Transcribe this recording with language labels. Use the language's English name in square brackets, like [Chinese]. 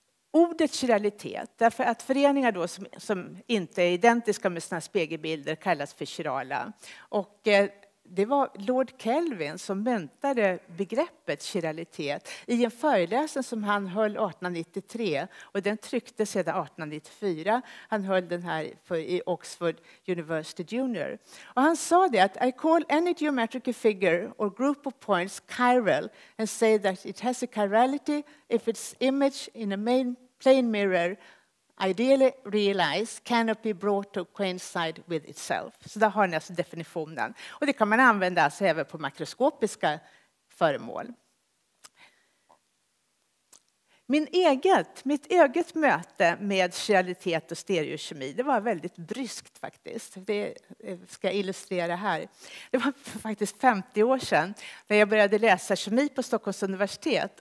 [Swedish] Ordet kiralitet, därför att föreningar då som inte är identiska med sina spegelbilder kallas för kirala. Och det var Lord Kelvin som myntade begreppet kiralitet i en föreläsning som han höll 1893. Och den trycktes sedan 1894. Han höll den här i Oxford University Junior. Och han sa det att [English] I call any geometric figure or group of points chiral and say that it has a chirality if its image in a main plane mirror ideally realized cannot be brought to coincide with itself. [Swedish] Så där har ni alltså definitionen. Och det kan man använda alltså även på makroskopiska föremål. Mitt eget möte med kiralitet och stereokemi, det var väldigt bryskt faktiskt. Det ska jag illustrera här. Det var faktiskt 50 år sedan när jag började läsa kemi på Stockholms universitet.